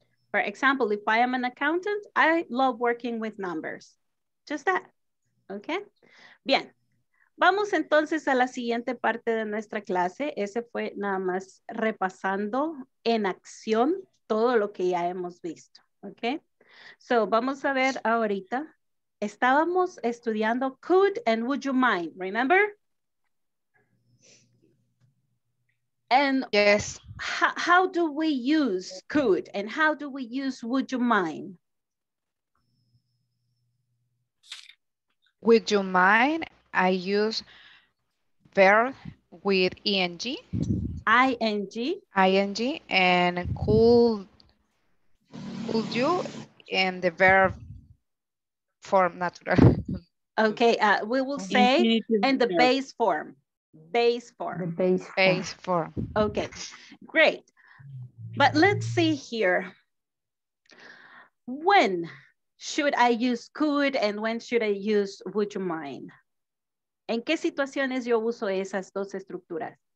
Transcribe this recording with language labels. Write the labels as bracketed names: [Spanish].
[English] For example, if I am an accountant, I love working with numbers. Just that, okay? [Spanish] Bien, vamos entonces a la siguiente parte de nuestra clase. Ese fue nada más repasando en acción todo lo que ya hemos visto, okay? So, vamos a ver ahorita. Estábamos estudiando could and would you mind, remember? [English] And yes. How do we use could and how do we use would you mind? Would you mind? I use verb with ing. ing. ing and could you and the verb form natural. Okay, we will say in the base form. Base form. Base form. Okay, great. But let's see here. When should I use could and when should I use would you mind? [Spanish] ¿En qué situaciones yo uso esas dos estructuras?